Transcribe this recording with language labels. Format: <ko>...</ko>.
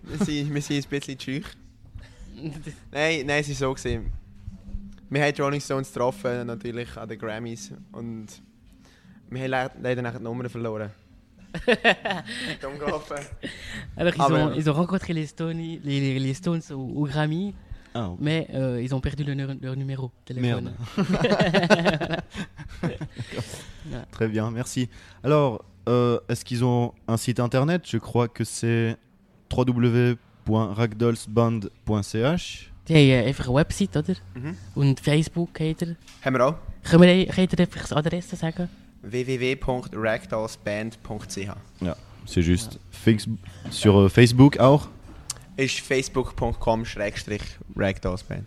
<de>Wir sind ein bisschen zu schüch. Nein, es war so gewesen. Wir haben Rolling Stones getroffen, natürlich an den Grammys. Und wir haben leider nachher die Nummer verloren. Dumm gelaufen.</de> <fr>Alors, ils ont rencontré les Stones au Grammy. Oh. Mais ils ont perdu leur numéro de téléphone. Merde. Très bien, merci. Alors, est-ce qu'ils ont un site internet? Je crois que c'est www.ragdollsband.ch.</fr> <de>Die haben einfach eine Website, oder? Mhm. Und Facebook hat er. Haben wir auch. Könnt ihr einfach das Adresse sagen? www.ragdollsband.ch.</de> <fr>Ja, c'est juste. Ja. Sur Facebook</fr> <de>auch? Ist facebook.com/ragdollsband.</de>